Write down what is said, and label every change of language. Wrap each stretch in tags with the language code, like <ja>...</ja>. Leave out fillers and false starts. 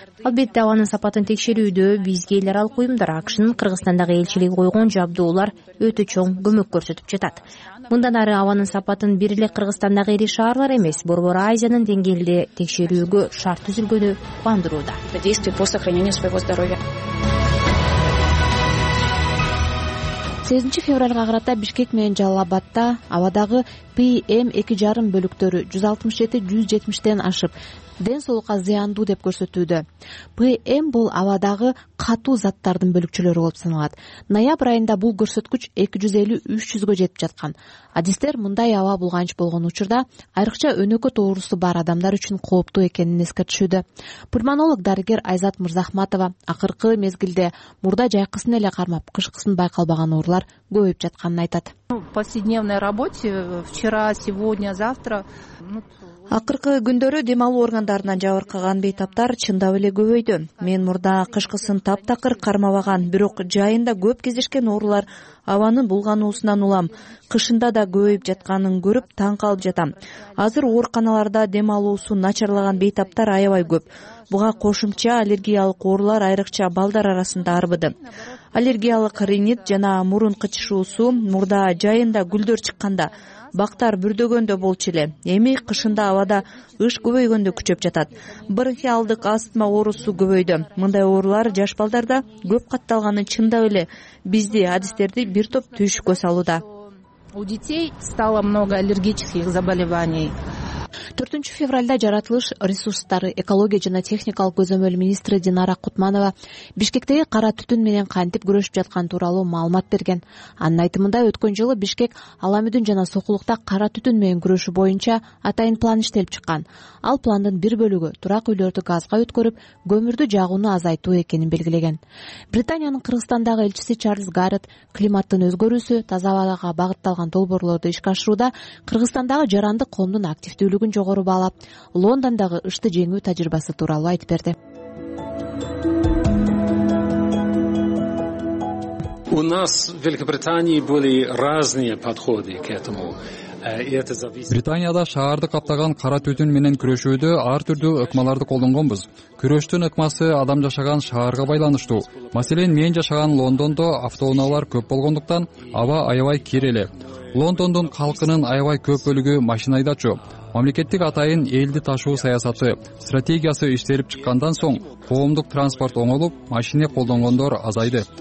<ky>Албетте, абанын сапатын текшерүүдө бизге эл аралык уюмдар, АКШнын Кыргызстандагы элчилиги койгон жабдуулар өтө чоң көмөк көрсөтүп жатат. Мындан ары абанын сапатын бир эле Кыргызстандагы ири шаарлар эмес, Борбор Азиянын деңгээлде текшерүүгө шарт түзүлгөнү кубандырууда.</ky> <ru>Действия по сохранению своего здоровья.</ru> <ky>8 февральга карата Бишкек менен Жалал Абадта абадагы PM2.5 бөлүктөрү 167-170 ашып, ден соолукка зыяндуу деп көрсөтүүдө. PM бул абадагы катуу заттардын бөлүкчөлөрү болуп саналат. Ноябрь айында бул көрсөткүч 250-300 жетип жаткан. Адистер мындай аба булганч болгон учурда айрыкча өнөкөт тоорусу бар адамдар үчүн кооптуу экенин эскертишүүдө. Пульмонолог дарыгер Айзат Мырзахматова акыркы мезгилде мурда жайкысын эле кармап, кышкысын байкалбаган оорулар көбөйүп жатканын айтат.</ky> <ru>Повседневной работе вчера, сегодня, завтра.</ru> <ky>Акыркы күндөрү дем алуу органдарынан жабыркаган бейтаптар чындап эле көбөйдү. Мен мурда кышкысын таптакыр кармабаган, бирок жайында көп кездешкен оорулар абанын булгануусунан улам. Кышында да көбөйүп жатканын көрүп таң калып жатам. Азыр ооруканаларда дем алуусу начарлаган бейтаптар аябай көп. Буга кошумча аллергиялык оорулар айрыкча балдар арасында арбыды. Аллергиялык ринит жана мурун кычышуусу мурда жайында гүлдөр чыкканда, бактар бүрдөгөндө болчу эле. Эми кышында абада ыш көбөйгөндө күчөп жатат. Бронхиалдык астма оорусу көбөйдү. Мындай оорулар жаш балдарда көп катталганы чындап эле бизди, адистерди бир топ түйшүккө салууда.</ky> <ru>У детей стало много аллергических заболеваний.</ru> <ky>4 февральда жаратылыш ресурстары, экология жана техникалык көзөмөл министри Динара Кутманова Бишкектеги кара түтүн менен кантип күрөшүп жатканы тууралуу маалымат берген. Анын айтымында, өткөн жылы Бишкек Аламүдүн жана Сокулукта кара түтүн менен күрөшүү боюнча атайын план иштелип чыккан. Ал пландын бир бөлүгү турак үйлөрдү газга өткөрүп, көмүрдү жагууну азайтуу экенин белгилеген. Британиянын Кыргызстандагы элчиси Чарльз Гаррет климаттын өзгөрүүсү, таза абага багытталган долбоорлорду ишке ашырууда Кыргызстандагы жарандык коомдун активдүү бүгүн жогору баалап, Лондондагы ышты жеңүү тажрыйбасы тууралуу айтып берди.</ky> <ru>У нас в Великобритании были разные подходы к этому.</ru> <ky>Британияда шаарды каптаган кара түтүн менен күрөшүүдө ар түрдүү ыкмаларды колдонгонбуз. Күрөштүн ыкмасы адам жашаган шаарга байланыштуу. Маселен, мен жашаган Лондондо автоунаалар көп болгондуктан аба аябай кир эле. Лондондун калкынын аябай көп бөлүгү машина айдачу. Мамлекеттик атайын элди ташуу саясаты стратегиясы иштелип чыккандан соң коомдук транспорт оңолуп, машине колдонгондор азайды.</ky>